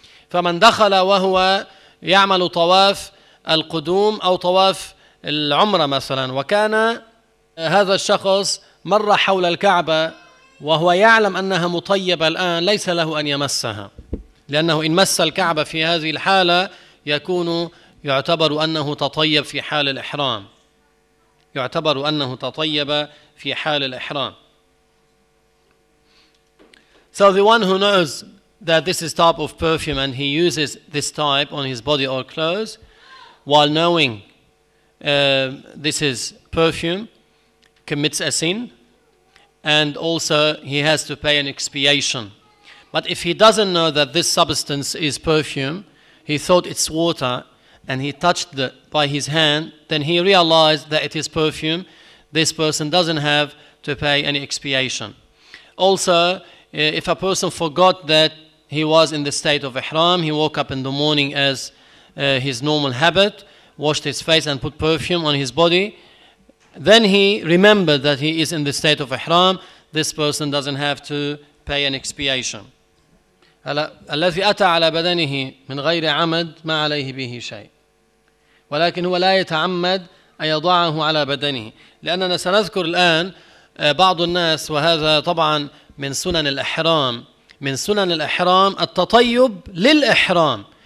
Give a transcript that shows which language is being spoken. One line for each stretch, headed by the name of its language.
Arabic: فمن دخل وهو يعمل طواف القدوم أو طواف العمرة مثلا, وكان هذا الشخص مر حول الكعبة وهو يعلم أنها مطيبة الآن, ليس له أن يمسها, لأنه إن مس الكعبة في هذه الحالة يكون يعتبر أنه تطيب في حال الإحرام, يعتبر أنه تطيب في حال الإحرام.
English: So the one who knows that this is type of perfume and he uses this type on his body or clothes while knowing this is perfume commits a sin, and also he has to pay an expiation. But if he doesn't know that this substance is perfume, he thought it's water, and he touched it by his hand, then he realized that it is perfume, this person doesn't have to pay any expiation. Also, if a person forgot that he was in the state of ihram, he woke up in the morning as his normal habit, washed his face and put perfume on his body, then he remembered that he is in the state of ihram, this person doesn't have to pay an expiation.
Arabic: الذي أتى على بدنه من غير عمد ما عليه به شيء, ولكن هو لا يتعمد أن يضعه على بدنه. لأننا سنذكر الآن بعض الناس, وهذا طبعا من سنن الإحرام, من سنن الإحرام التطيب للإحرام.